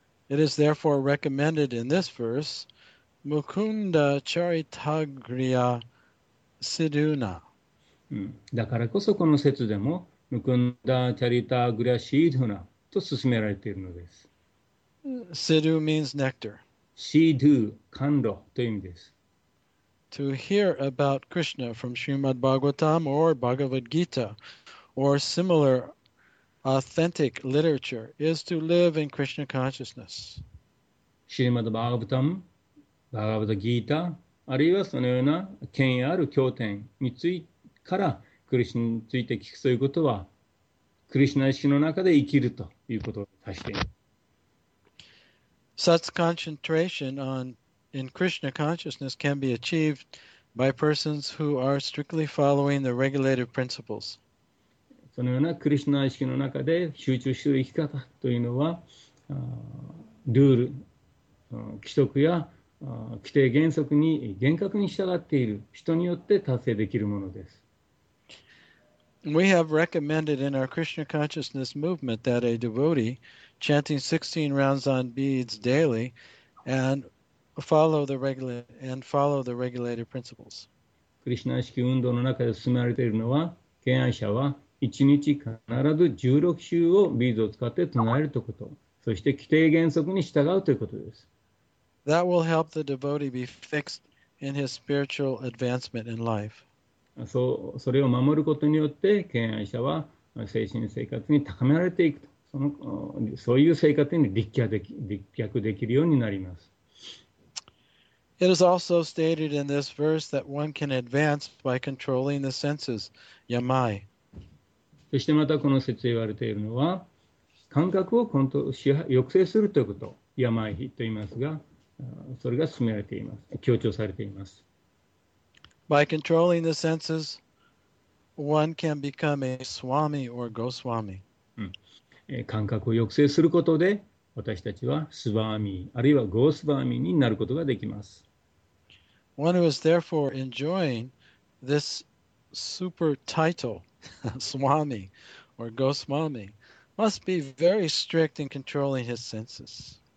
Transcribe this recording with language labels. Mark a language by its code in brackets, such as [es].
[en] It is therefore recommended in this verse, [sa] Mukunda Charitagriya Siduna. [ja] だからこそこの節でも、 [sa] Mukunda Charitagriya Siduna. [ja] と勧められているのです。 [en] Sidhu means nectar. [ja] Sidhu, 甘露という意味です。 [en] To hear about Krishna from Srimad Bhagavatam or Bhagavad Gita or similar authentic literature is to live in Krishna consciousness. [ja] Srimad Bhagavatam, Bhagavad Gita, あるいはそのような権威ある経典についからクリシナについて聞くということは、クリシナ意識の中で生きるということを指しています。 [en] Such concentration in Krishna consciousness can be achieved by persons who are strictly following the regulative principles. [ja] そのようなクリシナ意識の中で集中する生き方というのは、ルール、規則や規定原則に厳格に従っている人によって達成できるものです。 [en] We have recommended in our Krishna consciousness movement that a devotee chanting 16 rounds on beads daily and follow the regulated principles. [ja] Krishna 意識運動の中で進められているのは、敬愛者は1日必ず16周をビーズを使って唱えるということ、そして規定原則に従うということです。 [en] That will help the devotee be fixed in his spiritual advancement in life. [ja] それを守ることによって、敬愛者は精神生活に高められていくと、そういう生活に立脚できるようになります。 [en] It is also stated in this verse that one can advance by controlling the senses, yamai. [ja] そしてまたこの節で言われているのは、感覚を抑制するということ、yamai と言いますが、それが進められています、強調されています。 [en] By controlling the senses, one can become a swami or goswami. [ja] 感覚を抑制することで、私たちはスワーミー、あるいはゴースワーミーになることができます。 [en] One who is therefore enjoying this super title, swami or goswami, must be very strict in controlling his senses.